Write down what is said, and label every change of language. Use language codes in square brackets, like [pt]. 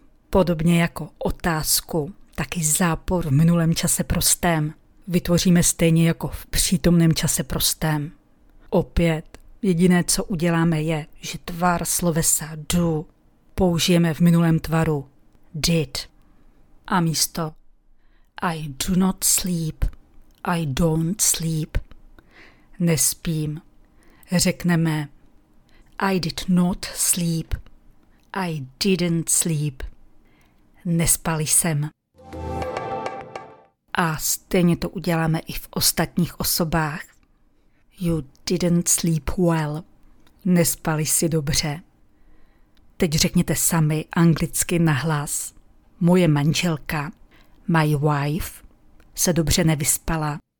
[cs] Podobně jako otázku, taky zápor v minulém čase prostém vytvoříme stejně jako v přítomném čase prostém. Opět, jediné, co uděláme, je, že tvar slovesa do použijeme v minulém tvaru did. A místo [en] I do not sleep, I don't sleep, [cs] nespím, řekneme [en] I did not sleep, I didn't sleep. [cs] Nespal jsem. A stejně to uděláme i v ostatních osobách. [en] You didn't sleep well. [cs] Nespali si dobře? Teď řekněte sami anglicky nahlas. Moje manželka, [en] my wife, [cs] se dobře nevyspala.